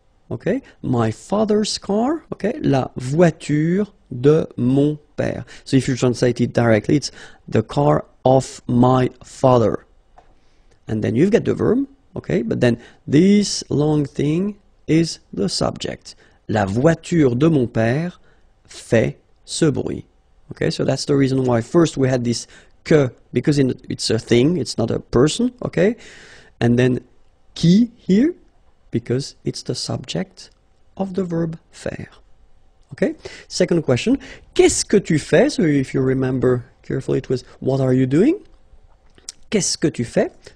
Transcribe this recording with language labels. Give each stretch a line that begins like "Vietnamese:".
English: Okay, my father's car, okay,
French: la voiture de mon père.
English: So if you translate it directly, it's the car of my father. And then you've got the verb, okay, but then this long thing is the subject.
French: La voiture de mon père fait ce bruit.
English: Okay, so that's the reason why first we had this que, because it's a thing, it's not a person, okay? And then qui here, because it's the subject of the verb faire. Okay? Second question,
French: qu'est-ce que tu fais?
English: So if you remember carefully, it was what are you doing?
French: Qu'est-ce que tu fais?